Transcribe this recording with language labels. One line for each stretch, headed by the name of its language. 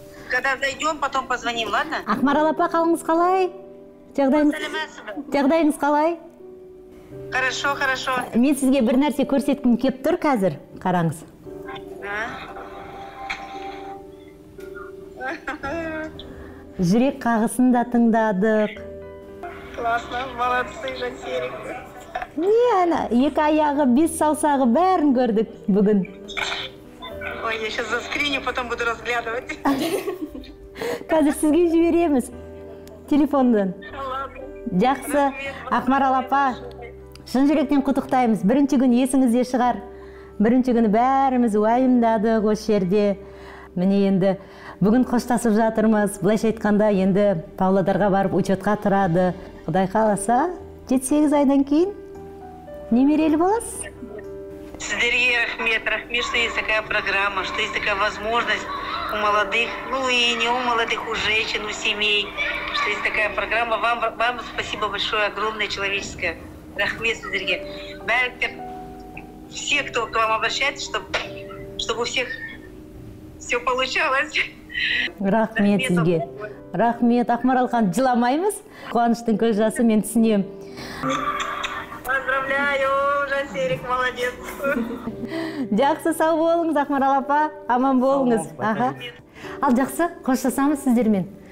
Russian: Когда зайдем, потом позвоним, ладно?
Kazakh: Ақмарал апа, қалыңыз қалай? Жағдайыңыз қалай?
Russian: Хорошо, хорошо.
Kazakh: Мен сізге бір нәрсе көрсеткім келіп тұр қазір. Қараңыз. Жүрек қағысын да тыңдадық.
Russian: Классно, молодцы, Жансерик.
Kazakh: Не, ана, екі аяғы, бес саусағы бәрін көрдік бүгін.
Russian: Ой, я сейчас заскриню, потом буду разглядывать.
Kazakh: Қазір сізге жібереміз телефондан. Жақсы, Ақмарал апа, шын жүректен құттықтаймыз. Бірінші күн есіңізде шығар. Бірінші күні бәріміз уайымдадық осы жерде. Міне енді бүгін қоштасып жатырмыз. Былайша айтқанда енді Павлодарға барып учетқа тұрады. Құдай қаласа, 7-8 айдан кейін немерелі боласыз. Сіздерге рахмет, рахмет,
Russian: что есть такая программа, что есть такая возможность у молодых, ну и не у молодых, у женщин, у семей, что есть такая программа. Вам спасибо большое, огромное человеческое.
Kazakh: Рахмет, сіздерге.
Russian: Бәріктер, все, кто к вам обращается, чтобы у всех все получалось.
Kazakh: Рахмет, сізге. Рахмет, Ақмарал хан, жыламаймыз. Қуаныштың көз жасы, мен түсінем.
Russian: Поздравляю. Серик, молодец.
Kazakh: Жақсы, сау болыңыз, Ақмарал апа. Аман болыңыз. Аға. Ал жақсы, қоштасамыз сіздермен.